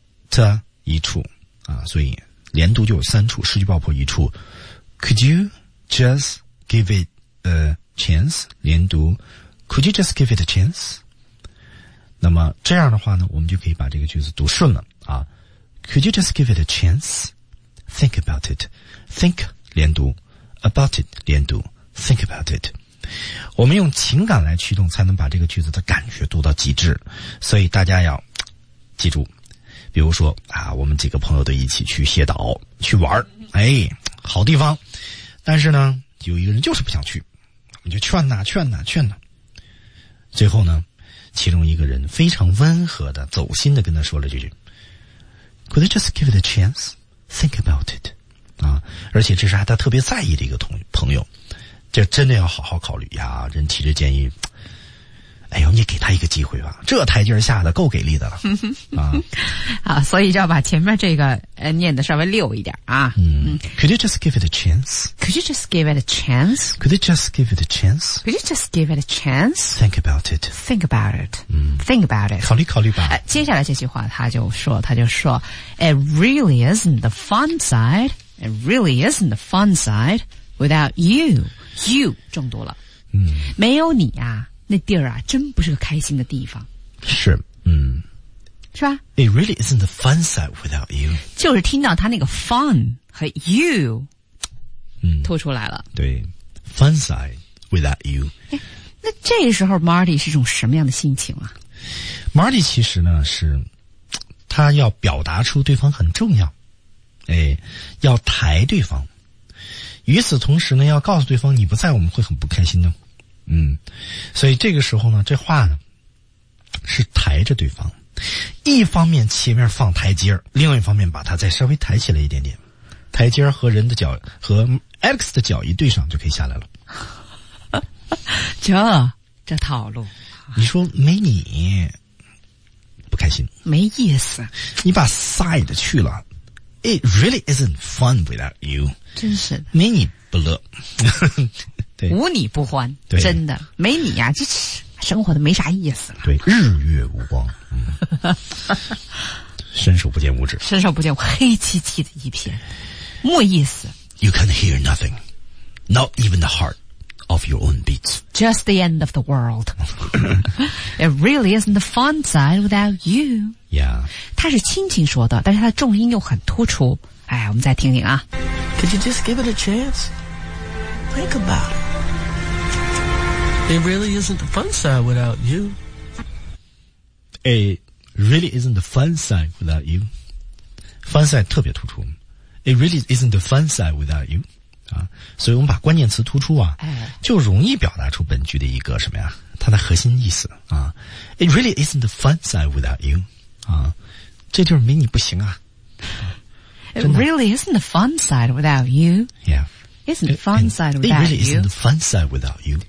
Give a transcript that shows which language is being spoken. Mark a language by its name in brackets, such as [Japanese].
[English] T 一处、所以连读就有三处失去爆破一处 Could you justGive it a chance, 连读 Could you just give it a chance? [Chinese] 那么这样的话呢我们就可以把这个句子读顺了啊。 [English] Could you just give it a chance? Think about it. Think, 连读 About it, 连读 Think about it. [Chinese] 我们用情感来驱动才能把这个句子的感觉读到极致。所以大家要记住比如说啊，我们几个朋友都一起去蟹岛去玩哎，好地方。但是呢有一个人就是不想去你就劝哪劝哪劝哪最后呢其中一个人非常温和的走心的跟他说了这句 Could I just give it a chance? Think about it 啊，而且这是他特别在意的一个朋友这真的要好好考虑呀人提着建议哎呦你给他一个机会吧这台阶下的够给力的了啊，所以就要把前面这个念的稍微溜一点啊。 [English] Could you just give it a chance? Could you just give it a chance? Could you just give it a chance? Could you just give it a chance? Think about it. Think about it.、嗯、 Think about it. [Chinese] 考虑考虑吧、接下来这句话他就说 It really isn't the fun side. [English] It really isn't the fun side without you. [Chinese] You 中毒了、嗯、没有你啊那地儿啊真不是个开心的地方。是嗯。是吧 [English] ?It really isn't the fun side without you. [Chinese] 就是听到他那个 fun 和 you, 嗯吐出来了。 [English] 对。fun side without you. [Chinese] 诶那这时候 Marty 是一种什么样的心情啊 ?Marty 其实呢是他要表达出对方很重要。诶要抬对方。与此同时呢要告诉对方你不在我们会很不开心的。所以这个时候呢，这话呢是抬着对方，一方面前面放台阶，另外一方面把它再稍微抬起来一点点，台阶和人的脚和 Alex 的脚一对上就可以下来了。这套路，你说没你不开心，没意思， [English] 你把 side 去了， It really isn't fun without you， [Chinese] 真是没你不乐。对，无你不欢，对，真的没你啊，这是生活的没啥意思了。对，日月无光，伸手不见五指，伸手不见，黑漆漆的一片，没意思。 [English] You can hear nothing, not even the heart of your own beats. Just the end of the world. It really isn't the fun side without you. Yeah. [Chinese] 他是轻轻说的，但是他的重音又很突出。哎，我们再听听啊。 [English] Could you just give it a chance? Think about it. It really isn't the fun side without you. It really isn't the fun side without you. Fun side 特别突出。 It really isn't the fun side without you. [Chinese] 啊，所以我们把关键词突出啊，就容易表达出本句的一个什么呀，它的核心意思啊。 [English] It really isn't the fun side without you. [Chinese] 啊，这地儿没你不行啊。 [English] It really isn't the fun side without you. Yeah. Isn't the fun side without you? It really isn't the fun side without you.